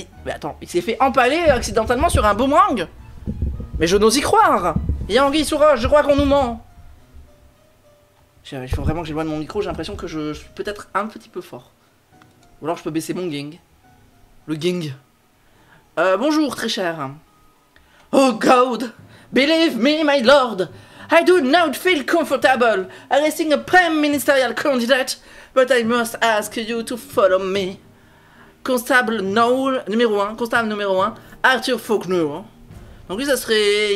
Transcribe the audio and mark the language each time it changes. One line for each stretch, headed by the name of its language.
French: Mais attends, il s'est fait empaler accidentellement sur un boomerang? Mais je n'ose y croire! Il y a Anguille sous roche, je crois qu'on nous ment. Il faut vraiment que j'éloigne mon micro, j'ai l'impression que je suis peut-être un petit peu fort. Ou alors je peux baisser mon ging. Le ging. Bonjour, très cher.
English: Oh God, believe me, my lord. I do not feel comfortable arresting a prime ministerial candidate, but I must ask you to follow me.
French: Constable Noel, numéro 1, constable numéro 1, Arthur Faulkner. Donc lui, ça serait...